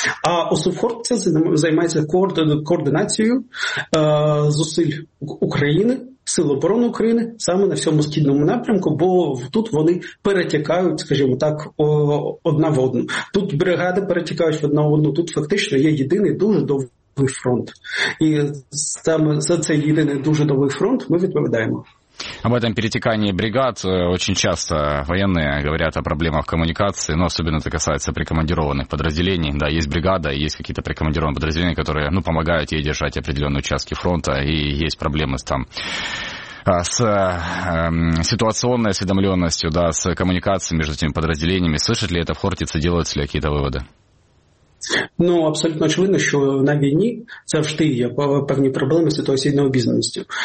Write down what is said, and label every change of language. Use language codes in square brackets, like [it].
[uk] А Осувхортиця займається координацією зусиль України, сил оборони України саме на всьому східному напрямку, бо тут вони перетікають, скажімо так, одна в одну. Тут бригади перетікають одна в одну, тут фактично є єдиний дуже довгий фронт. І саме за цей єдиний дуже довгий фронт ми відповідаємо. [ru] Об этом перетекании бригад очень часто военные говорят о проблемах коммуникации, но особенно это касается прикомандированных подразделений. Да, есть бригада, есть какие-то прикомандированные подразделения, которые, ну, помогают ей держать определенные участки фронта, и есть проблемы там с ситуационной осведомленностью, да, с коммуникацией между этими подразделениями. Слышат ли это в Хортице, делают ли какие-то выводы? [uk] Ну, абсолютно очевидно, що на війні завжди є певні проблеми з ситуаційною обізнаністю.